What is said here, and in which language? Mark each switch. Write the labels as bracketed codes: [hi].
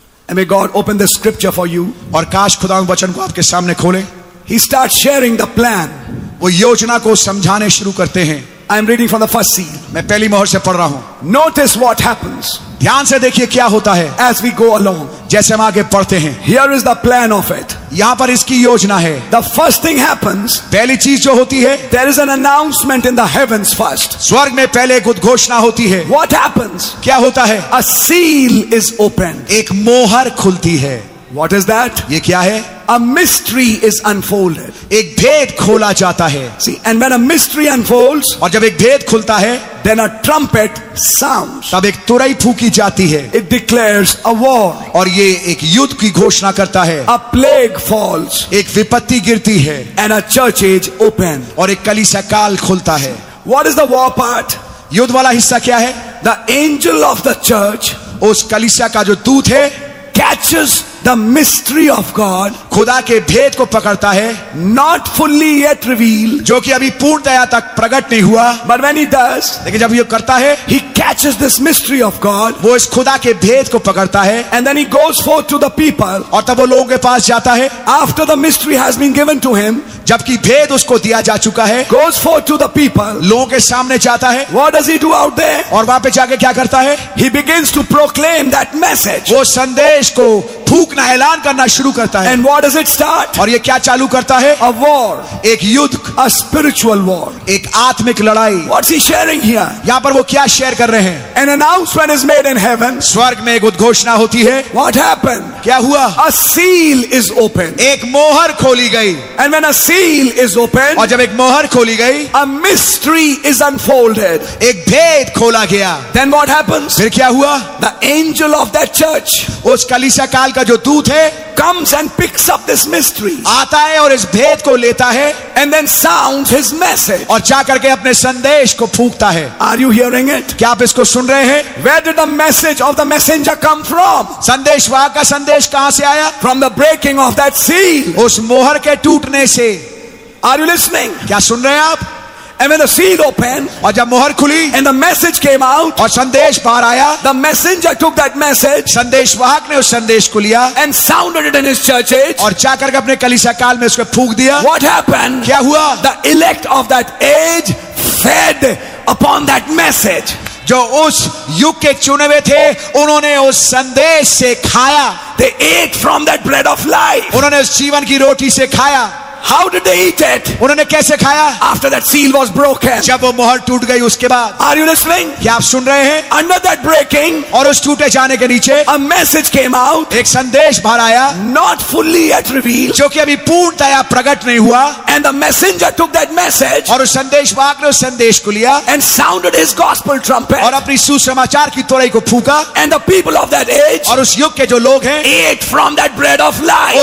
[en] And may God open the scripture for you. [hi] और काश खुदा वचन को आपके सामने खोले. [en] He starts sharing the plan. [hi] वो योजना को समझाने शुरू करते हैं. [en] I'm reading from the first seal. [hi] मैं पहली मोहर से पढ़ रहा हूं. [en] Notice what happens. [hi] ध्यान से देखिए क्या होता है. [en] As we go along. [hi] जैसे हम आगे पढ़ते हैं. [en] Here is the plan of it. [hi] यहां पर इसकी योजना है. [en] The first thing happens. [hi] पहली चीज जो होती है. [en] There is an announcement in the heavens first. [hi] स्वर्ग में पहले एक उद्घोषणा होती है. [en] What happens? [hi] क्या होता है? [en] A seal is opened. [hi] एक मोहर खुलती है. [en] What is that? [hi] ये क्या है? [en] A mystery is unfolded. [hi] एक भेद खोला जाता है. [en] See, and when a mystery unfolds, [hi] और जब एक भेद खुलता है, [en] then a trumpet sounds. [hi] तब एक तुरही फूंकी जाती है. [en] It declares a war. [hi] और ये एक युद्ध की घोषणा करता है. [en] A plague falls. [hi] एक विपत्ति गिरती है. [en] And a church age opens. [hi] और एक कलीसिया काल खुलता है. [en] What is the war part? [hi] युद्ध वाला हिस्सा क्या है? [en] The angel of the church. [hi] उस कलीसिया का जो दूत है. [en] Catches the mystery of God. [hi] खुदा के भेद को पकड़ता है. [en] Not fully yet revealed. [hi] जो कि अभी पूर्णतया तक प्रकट नहीं हुआ. [en] But when he does, [hi] लेकिन जब ये करता है, [en] he catches this mystery of God. [hi] वो इस खुदा के भेद को पकड़ता है. [en] And then he goes forth to the people. [hi] और तब वो लोगों के पास जाता है. [en] After the mystery has been given to him, [hi] जबकि भेद उसको दिया जा चुका है. [en] Goes forth to the people. [hi] लोगों के सामने जाता है. [en] What does he do out there? [hi] और वहां पे जाके क्या करता है? [en] He begins to proclaim that message. [hi] वो संदेश को फूंकना, ऐलान करना शुरू करता है. [en] And what does it start? [hi] और ये क्या चालू करता है? [en] A war. [hi] एक युद्ध. [en] A spiritual war. [hi] एक आत्मिक लड़ाई. [en] What's he sharing here? [hi] यहाँ पर वो क्या शेयर कर रहे हैं? [en] An announcement is made in heaven. [hi] स्वर्ग में एक उद्घोषणा होती है. [en] What happened? [hi] क्या हुआ? [en] A seal is opened. [hi] एक मोहर खोली गई. [en] And when a seal is opened, [hi] और जब एक मोहर खोली गई, [en] a mystery is unfolded. [hi] एक भेद खोला गया. [en] Then what happens? [hi] फिर क्या हुआ? [en] The angel of that church, [hi] उस कलीसिया काल का जो दूत है, [en] comes and picks up this mystery. [hi] आता है और इस भेद को लेता है. [en] And then sounds his message. [hi] और जाकर के अपने संदेश को फूंकता है. [en] Are you hearing it? [hi] क्या आप इसको सुन रहे हैं? [en] Where did the message of the messenger come from? [hi] संदेशवाहक का संदेश कहां से आया? [en] From the breaking of that seal. [hi] उस मोहर के टूटने से. [en] Are you listening? [hi] क्या सुन रहे हैं आप? [en] And when the seal opened, [hi] और जब मोहर खुली, [en] and the message came out, [hi] और संदेश बाहर आया, [en] the messenger took that message, [hi] संदेशवाहक ने उस संदेश को लिया, [en] and sounded it in his church age, [hi] और जाकर के अपने कलीसिया काल में उसको फूंक दिया. [en] What happened? [hi] क्या हुआ? [en] The elect of that age fed upon that message. [hi] जो उस युग के चुने हुए थे, उन्होंने उस संदेश से खाया. [en] They ate from that bread of life. [hi] उन्होंने उस जीवन की रोटी से खाया. [en] How did they eat it? [hi] उन्होंने कैसे खाया? [en] After that seal was broken. [hi] जब वो मोहर टूट गई उसके बाद. [en] Are you listening? [hi] क्या आप सुन रहे हैं? [en] Under that breaking. [hi] और उस टूटे जाने के नीचे. [en] A message came out. [hi] एक संदेश बाहर आया. [en] Not fully yet revealed. [hi] जो कि अभी पूर्णतया प्रकट नहीं हुआ. [en] And the messenger took that message. [hi] और उस संदेशवाहक ने उस संदेश को लिया. [en] And sounded his gospel trumpet. [hi] और अपनी सुसमाचार की तुरही को फूंका. [en] And the people of that age. [hi] और उस युग के जो लोग हैं. [en] Ate from that bread of life.